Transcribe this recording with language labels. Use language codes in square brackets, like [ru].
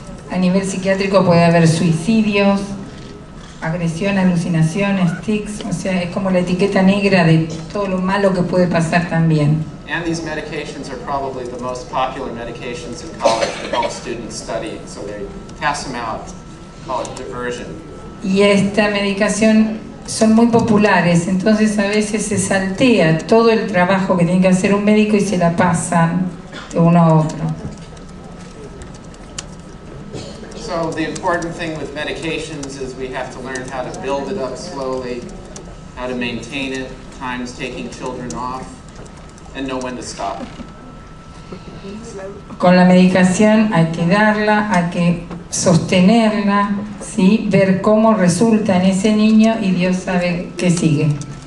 [es] A nivel psiquiátrico puede haber suicidios, agresión, alucinaciones, tics, o sea, es como la etiqueta negra de todo lo malo que puede pasar también. [en] And these medications are probably the most popular medications in college that help students study, so they pass them out, call it diversion. [es] Y esta medicación son muy populares, entonces a veces se saltea todo el trabajo que tiene que hacer un médico y se la pasan de uno a otro. [en] So the important thing with medications is we have to learn how to build it up slowly, how to maintain it, times taking children off, and know when to stop. [es] Con la medicación hay que darla, hay que sostenerla, ¿sí? Ver cómo resulta en ese niño y Dios sabe qué sigue.